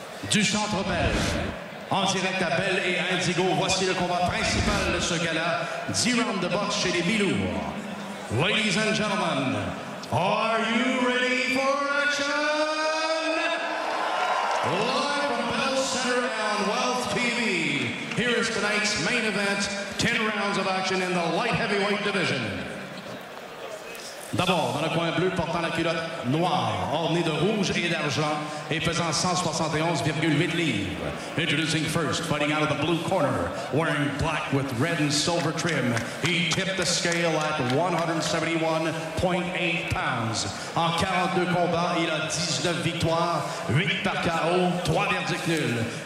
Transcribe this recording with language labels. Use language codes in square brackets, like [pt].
[fr] Du Centre Belge, en direct à Belle et à Indigo, voici le combat principal de ce gala, 10 rounds de boxe chez les Bilours. [en] Ladies and gentlemen, are you ready for action? Live from Bell Center on Wealth TV, here is tonight's main event, 10 rounds of action in the light heavyweight division. [fr] D'abord, dans le coin bleu, portant la culotte noire, ornée de rouge et d'argent, et pesant 171,8 livres. [en] Introducing first, fighting out of the blue corner, wearing black with red and silver trim, he tipped the scale at 171.8 pounds. [fr] En 42 combats, il a 19 victoires, 8 par KO, 3 verdicts nuls.